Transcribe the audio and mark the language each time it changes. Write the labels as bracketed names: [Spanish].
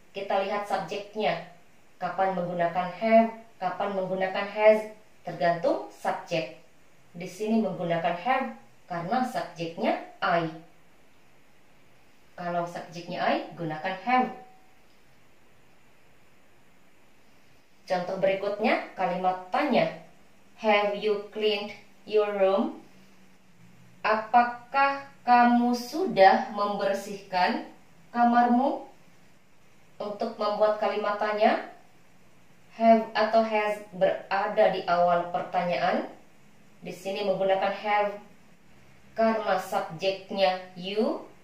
[Indonesian] Kita lihat subjeknya. Kapan menggunakan have, kapan menggunakan has, tergantung subjek. Di sini menggunakan have karena subjeknya I. Kalau subjeknya I, gunakan have. Contoh berikutnya, kalimat tanya. [English] Have you cleaned your room? [Indonesian] Apakah kamu sudah membersihkan kamarmu? Untuk membuat kalimat tanya, have atau has berada di awal pertanyaan. Di sini menggunakan have karena subjeknya you.